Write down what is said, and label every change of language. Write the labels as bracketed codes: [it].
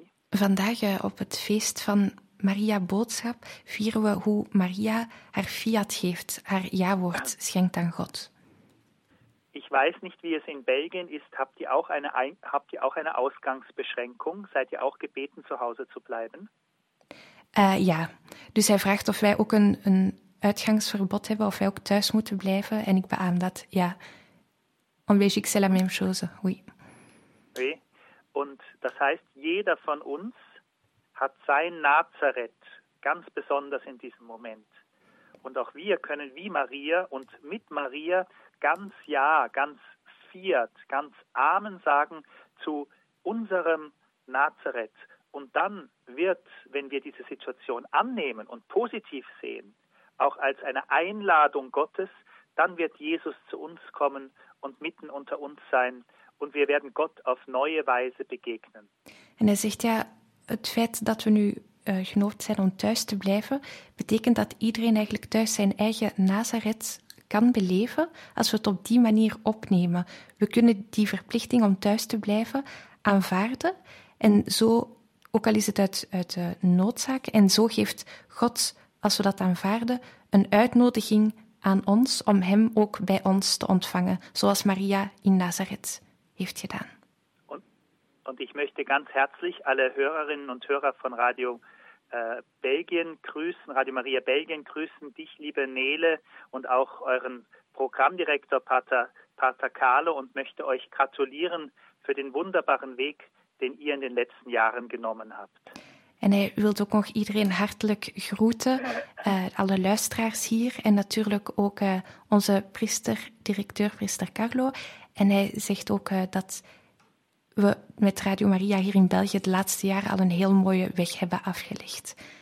[nl] Vandaag op het feest van Maria Boodschap vieren we hoe Maria haar fiat geeft, haar ja-woord schenkt aan God. Ik weet niet wie het in België is. [de] Habt ihr auch eine Ausgangsbeschränkung? Seid ihr auch gebeten, zu Hause zu bleiben? [nl] Ja, dus hij vraagt of wij ook een uitgangsverbod hebben, of wij ook thuis moeten blijven. En ik beaam dat, ja. En wees ik [fr] c'est la même chose, oui. [de] Oui, [nl] en dat [de] heißt, jeder [nl] van ons [de] hat sein Nazareth, ganz besonders in diesem Moment. Und auch wir können wie Maria und mit Maria ganz Ja, ganz Fiat, ganz Amen sagen zu unserem Nazareth. Und dann wird, wenn wir diese Situation annehmen und positiv sehen, auch als eine Einladung Gottes, dann wird Jesus zu uns kommen und mitten unter uns sein und wir werden Gott auf neue Weise begegnen. In der Sicht ja, [nl] het feit dat we nu genoopt zijn om thuis te blijven, betekent dat iedereen eigenlijk thuis zijn eigen Nazareth kan beleven als we het op die manier opnemen. We kunnen die verplichting om thuis te blijven aanvaarden. En zo, ook al is het uit de noodzaak, en zo geeft God, als we dat aanvaarden, een uitnodiging aan ons om hem ook bij ons te ontvangen, zoals Maria in Nazareth heeft gedaan. [de] Und ich möchte ganz herzlich alle Hörerinnen und Hörer von Radio Belgien grüßen, Radio Maria Belgien grüßen, dich, liebe Nele, und auch euren Programmdirektor Pater Carlo und möchte euch gratulieren für den wunderbaren Weg, den ihr in den letzten Jahren genommen habt. [nl] En hij wil ook nog iedereen hartelijk groeten, alle luisteraars hier en natuurlijk ook onze priester, directeur, priester Carlo. En hij zegt ook dat we met Radio Maria hier in België de laatste jaren al een heel mooie weg hebben afgelegd.